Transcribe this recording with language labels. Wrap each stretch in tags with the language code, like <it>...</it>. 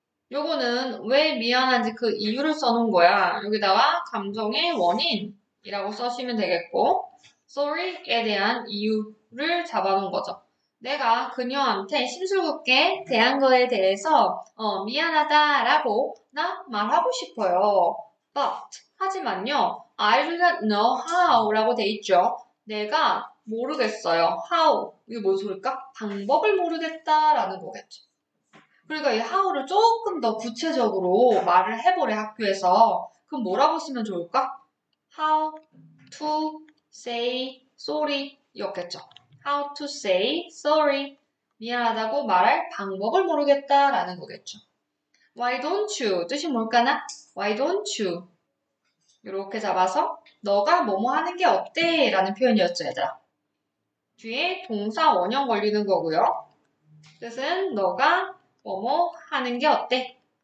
<ko>요거는 왜 미안한지 그 이유를 써놓은 거야. 여기다가 감정의 원인. 이라고 써시면 되겠고, sorry에 대한 이유를 잡아놓은 거죠. 내가 그녀한테 심술궂게 대한 거에 대해서, 미안하다라고, 나 말하고 싶어요. But, 하지만요,</ko> <en>I do not know how</en> <ko>라고 돼 있죠. 내가 모르겠어요. How, 이게 뭔 소리일까? 방법을 모르겠다라는 거겠죠. 그러니까 이 how를 조금 더 구체적으로 말을 해보래, 학교에서. 그럼 뭐라고 쓰면 좋을까?</ko> <en>How to say sorry</en> <ko>였겠죠.</ko> <en>How to say sorry.</en> <ko>미안하다고 말할 방법을 모르겠다라는 거겠죠.</ko> <en>Why don't you?</en> <ko>뜻이 뭘까나?</ko> <en>Why don't you?</en> <ko>이렇게 잡아서 너가 뭐뭐 하는 게 어때? 라는 표현이었죠, 얘들아. 뒤에 동사 원형 걸리는 거고요. 뜻은 너가 뭐뭐 하는 게 어때?</ko>